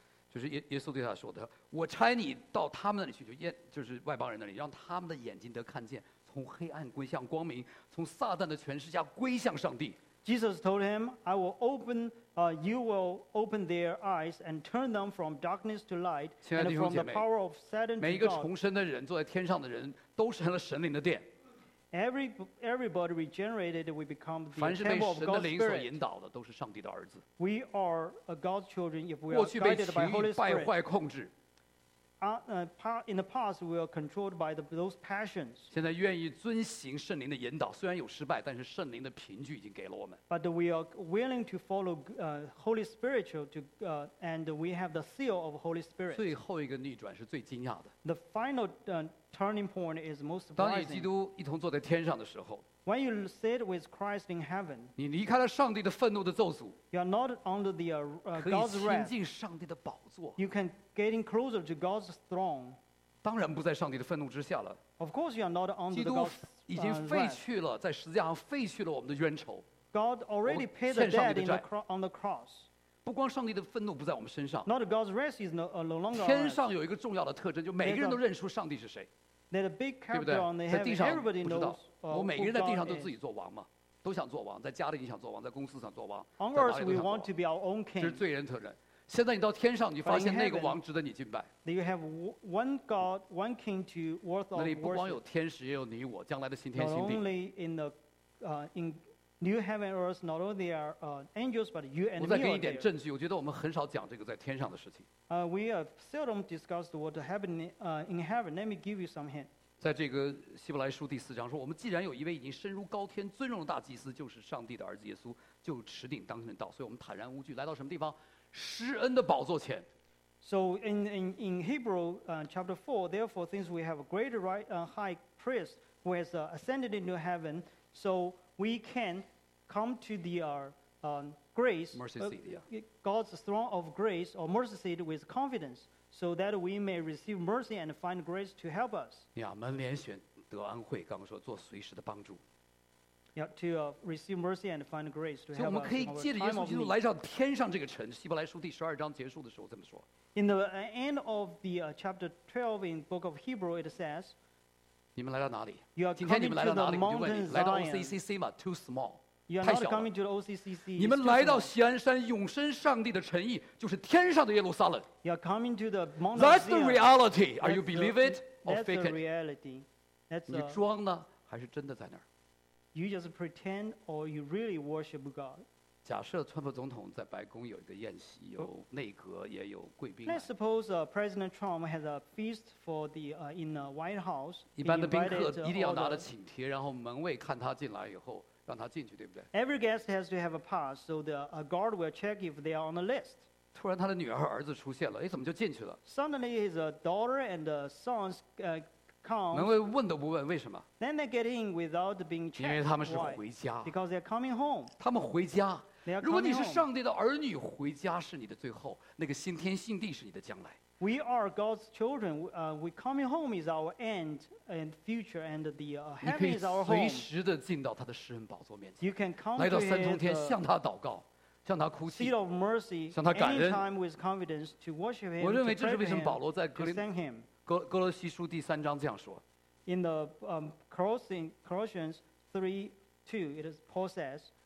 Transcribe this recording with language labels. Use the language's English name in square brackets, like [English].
[Chinese] 就是耶稣对他说的，我差你到他们那里去，就是外邦人那里，让他们的眼睛得看见，从黑暗归向光明，从撒旦的权势下归向上帝。 [English] Jesus told him, "I will open, you will open their eyes and turn them from darkness to light, and from the power of Satan to God." [Chinese] 每一个重生的人，坐在天上的人，都成了神灵的殿。 [English] Everybody regenerated, we become the temple of God's [Chinese] Spirit. 凡是被神的灵所引导的，都是上帝的儿子。 [English] We are a God's children if we are guided by Holy Spirit. [Chinese] 过去被情欲败坏控制。 [English] In the past, we are controlled by those passions. [Chinese] 现在愿意遵行圣灵的引导，虽然有失败，但是圣灵的凭据已经给了我们。 [English] But we are willing to follow Holy Spirit, and we have the seal of Holy Spirit. [Chinese] 最后一个逆转是最惊讶的。 [English] The final turning point is most surprising. [Chinese] 当你与基督一同坐在天上的时候 [English] ，When you sit with Christ in heaven, [Chinese] 你离开了上帝的愤怒的咒诅 [English] ，You are not under the God's wrath. [Chinese] 可以亲近上帝的宝座。 [English] You can getting closer to God's throne. [Chinese] 当然不在上帝的愤怒之下了。 [English] Of course, you are not under God's wrath. [Chinese] 基督已经废去了，在十字架上废去了我们的冤仇。 [English] God already paid the debt on the cross. [Chinese] 不光上帝的愤怒不在我们身上 [English] ，Not God's wrath is no longer on us. [Chinese] 天上有一个重要的特征，就每个人都认出上帝是谁。 [English] That a big character on the heaven, everybody knows. [Chinese] 不知道，我每个人在地上都自己做王嘛，都想做王，在家里你想做王，在公司想做王。 [English] On earth, we want to be our own king. [Chinese] 这是罪人特征。现在你到天上，你发现那个王值得你敬拜。 [English] You have one God, one king to worth of worship. [Chinese] 那里不光有天使，也有你我，将来的新天新地。 [English] Not only in the in new heaven earth, not only are angels, but you and me. [Chinese] 我再给你一点证据，我觉得我们很少讲这个在天上的事情。 [English] We have seldom discussed what happened in heaven. Let me give you some hint. [Chinese] 在这个希伯来书第四章说，我们既然有一位已经升入高天、尊荣的大祭司，就是上帝的儿子耶稣，就持定当今的道，所以我们坦然无惧，来到什么地方？施恩的宝座前。 [English] So in Hebrew chapter 4, therefore, since we have a great high priest who has ascended into heaven, so we can come to the grace, mercy seat, God's throne of grace or mercy seat with confidence, so that we may receive mercy and find grace to help us. [Chinese] 呀，门连选得安慧，刚刚说做随时的帮助。 [English] Yeah, to receive mercy and find grace to help us. [Chinese] 我们可以借着耶稣基督来到天上这个城。希伯来书第十二章结束的时候这么说。 [English] In the end of the chapter 12 in book of Hebrew, it says, [Chinese] 你们来到哪里？ [English] You are [Chinese] 今天你们来到哪里？我就问你，来到 [English] OCCC 吗？Too small, you are [Chinese] 太小了。 [English] Coming to the OCCC, [Chinese] 你们来到锡安山，永生上帝的诚意，就是天上的耶路撒冷。 [English] You are coming to the mountain. That's the reality. Are you believe it or fake it? That's the reality. That's [Chinese] 你装呢，还是真的在那儿？ [English] You just pretend, or you really worship God. [Chinese] 假设川普总统在白宫有一个宴席，有内阁，也有贵宾。 [English] Let's suppose President Trump has a feast for the in the White House. [Chinese] 一般的宾客一定要拿着请帖，然后门卫看他进来以后让他进去，对不对 [English] ？Every guest has to have a pass, so the guard will check if they are on the list. [Chinese] 突然他的女儿和儿子出现了，哎，怎么就进去了 [English] ？Suddenly his daughter and sons. [Chinese] 门卫问都不问，为什么？ [English] Then they get in without being checked. [Chinese] 因为他们是回家。 [English] Why? Because they're coming home. [Chinese] 他们回家。如果你是上帝的儿女，回家是你的最后，那个新天新地是你的将来。 [English] We are God's children. We coming home is our end and future, and the heaven is our home. [Chinese] 你可以随时的进到他的施恩宝座面前。 [English] You can come [Chinese] 来到三重天，向他祷告。向他哭泣 [English] seat of mercy, [Chinese] 向他感恩 [English] anytime with confidence to worship him, [Chinese] 我认为这是为什么保罗在格林哥罗西书第三章这样说。 [English] In the Colossians 3:2, it is Paul says,